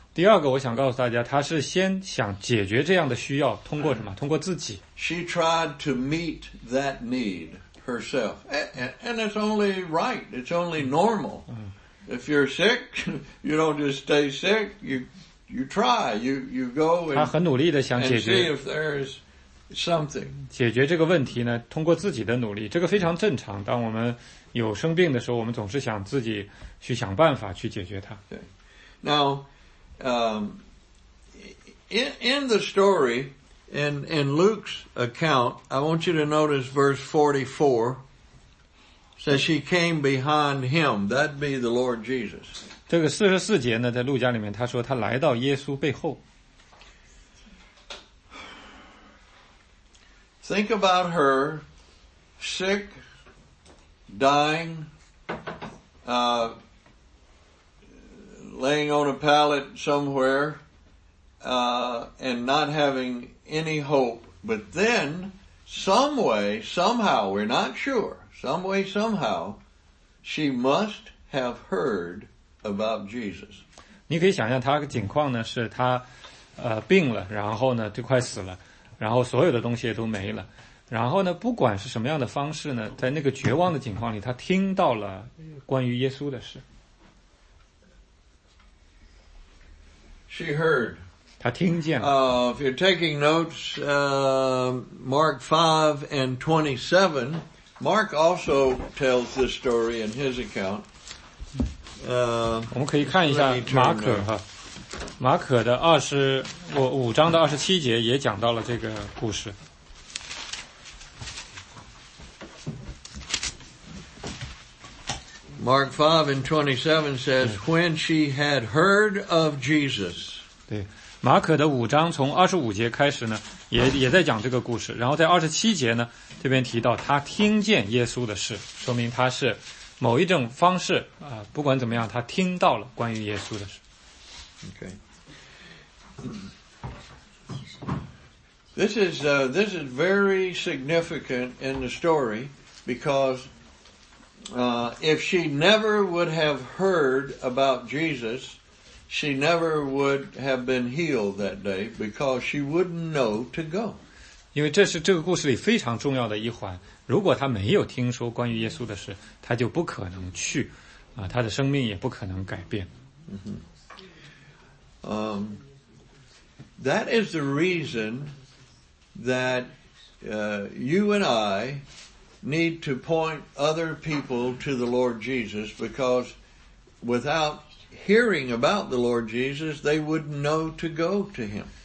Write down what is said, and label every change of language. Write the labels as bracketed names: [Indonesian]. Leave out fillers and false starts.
[Chinese] 第二个我想告诉大家，她是先想解决这样的需要，通过什么？通过自己。 [English] She tried to meet that need herself. And it's only right. It's only normal. If you're sick, you don't just stay sick. You try. You go and, [Chinese] 她很努力地想解决。 [English] And see if there's... Something. [Chinese] 解决这个问题呢，通过自己的努力，这个非常正常。当我们有生病的时候，我们总是想自己去想办法去解决它。对。 [English] Now, in the story, in Luke's account, I want you to notice verse 44. So she came behind him. That'd be the Lord Jesus. [Chinese] 这个四十四节呢，在路加里面，他说他来到耶稣背后。 [English] Think about her sick, dying, laying on a pallet somewhere, and not having any hope. But then, some way, somehow, we're not sure, some way, somehow, she must have heard about Jesus. [Chinese] 你可以想象她的情况呢，是她病了，然后呢就快死了，然后所有的东西也都没了，然后呢不管是什么样的方式呢，在那个绝望的情况里，她听到了关于耶稣的事。 [English] She heard. [Chinese] 她听见了。 [English] If you're taking notes, Mark 5 and 27, Mark also tells this story in his account. [Chinese] 我们可以看一下马可哈，马可的5章27节也讲到了这个故事。 [English] Mark 5 and 27 says, when she had heard of Jesus. [Chinese] 对，马可的五章从25节开始呢，也在讲这个故事。然后在27节呢，这边提到他听见耶稣的事，说明他是某一种方式，不管怎么样，他听到了关于耶稣的事。 [English] Okay. This is very significant in the story because if she never would have heard about Jesus, she never would have been healed that day because she wouldn't know to go. [Chinese] 因为这是这个故事里非常重要的一环，如果她没有听说关于耶稣的事，她就不可能去，她的生命也不可能改变。 [English] That is the reason that you and I need to point other people to the Lord Jesus, because without hearing about the Lord Jesus, they wouldn't know to go to him.